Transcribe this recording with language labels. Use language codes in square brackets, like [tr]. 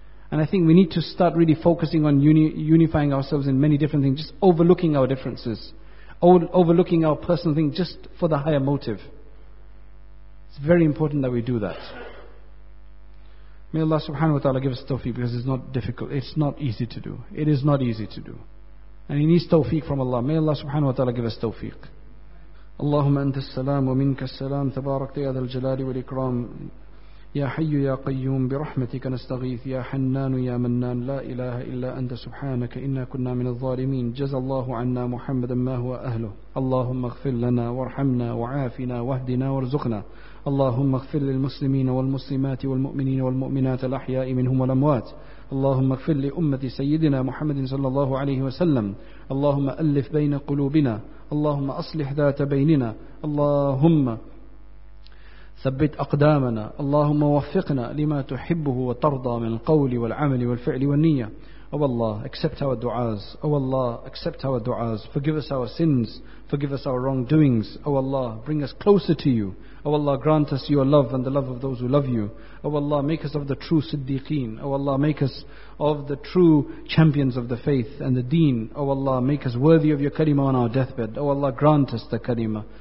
[en] And I think we need to start really focusing on unifying ourselves in many different things, just overlooking our differences, overlooking our personal thing just for the higher motive. It's very important that we do that. May Allah subhanahu wa ta'ala give us tawfiq, because it's not difficult. It's not easy to do. It is not easy to do. And he needs tawfiq from Allah. May Allah subhanahu wa ta'ala give us tawfiq. [ar] اللهم أنت السلام ومنك السلام تباركت يا ذا الجلال والإكرام يا حي يا قيوم برحمتك نستغيث يا حنان يا منان لا إله إلا أنت سبحانك إنا كنا من الظالمين جزى الله عنا محمدا ما هو أهله اللهم اغفر لنا وارحمنا وعافنا واهدنا وارزقنا اللهم اغفر للمسلمين والمسلمات والمؤمنين والمؤمنات الأحياء منهم والأموات اللهم اغفر لأمة سيدنا محمد صلى الله عليه وسلم اللهم ألف بين قلوبنا اللهم أصلح ذات بيننا اللهم ثبت أقدامنا اللهم وفقنا لما تحبه وترضى من القول والعمل والفعل والنية [en] Oh Allah, accept our du'as. Oh Allah, accept our du'as. Forgive us our sins. Forgive us our wrongdoings. Oh Allah, bring us closer to you. Oh Allah, grant us your love and the love of those who love you. Oh Allah, make us of the true siddiqeen. Oh Allah, make us of the true champions of the faith and the deen. Oh Allah, make us worthy of your kalima on our deathbed. Oh Allah, grant us the kalima.